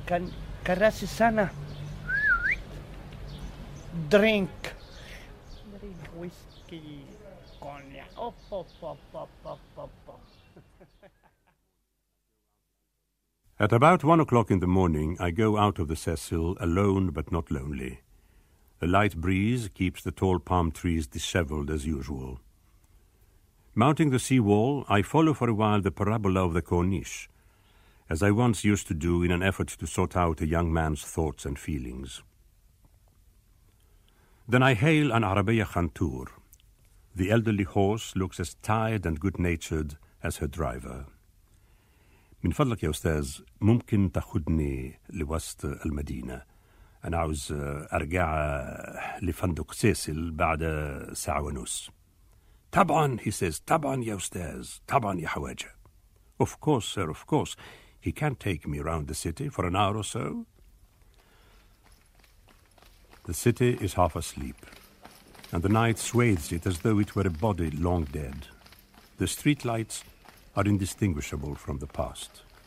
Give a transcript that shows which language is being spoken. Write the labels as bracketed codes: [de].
[en] كان كراسي سنة درينك ويسكي كوني اوف اوف اوف اوف اوف At about 1 o'clock in the morning, I go out of the Cecil alone but not lonely. A light breeze keeps the tall palm trees disheveled as usual. Mounting the seawall, I follow for a while the parabola of the Corniche, as I once used to do in an effort to sort out a young man's thoughts and feelings. Then I hail an Arabeya Khantour. The elderly horse looks as tired and good-natured as her driver. [ar] من فضلك يا أستاذ ممكن تأخذني لوسط المدينة. أنا عاوز أرجع لفندق سيسل بعد ساعة ونص. طبعا, [en] he says, [ar] طبعا يا أستاذ, طبعا يا حواجة. [en] Of course, sir, of course. He can't take me around the city for an hour or so. The city is half asleep, and the night swathes it as though it were a body long dead. The streetlights are indistinguishable from the past.